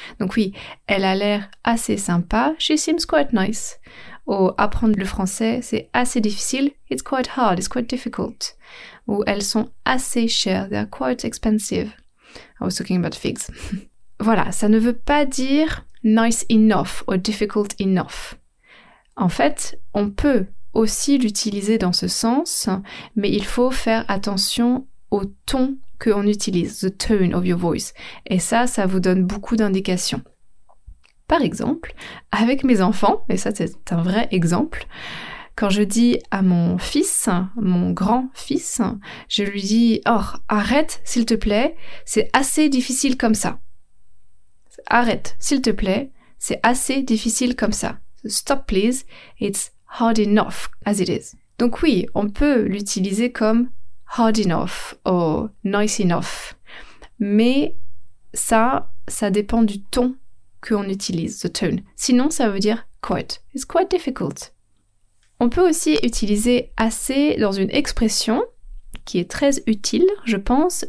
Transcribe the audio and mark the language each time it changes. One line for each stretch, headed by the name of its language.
French: Donc oui, elle a l'air assez sympa.
English: She seems quite nice.
French: Ou apprendre le français, c'est assez difficile.
English: It's quite hard. It's quite difficult.
French: Ou elles sont assez chères.
English: They're quite expensive. I was talking about figs.
French: Voilà, ça ne veut pas dire
English: nice enough or difficult enough.
French: En fait, on peut aussi l'utiliser dans ce sens, mais il faut faire attention au ton qu'on utilise,
English: the tone of your voice.
French: Et ça, ça vous donne beaucoup d'indications. Par exemple, avec mes enfants, et ça c'est un vrai exemple, quand je dis à mon fils, mon grand-fils, je lui dis « Oh, arrête s'il te plaît, c'est assez difficile comme ça. » Arrête s'il te plaît, c'est assez difficile comme ça.
English: Stop please, it's hard enough as it is.
French: Donc oui, on peut l'utiliser comme
English: hard enough
French: ou
English: nice enough.
French: Mais ça, ça dépend du ton qu'on utilise,
English: the tone.
French: Sinon, ça veut dire quite.
English: It's quite difficult.
French: On peut aussi utiliser assez dans une expression qui est très utile, je pense.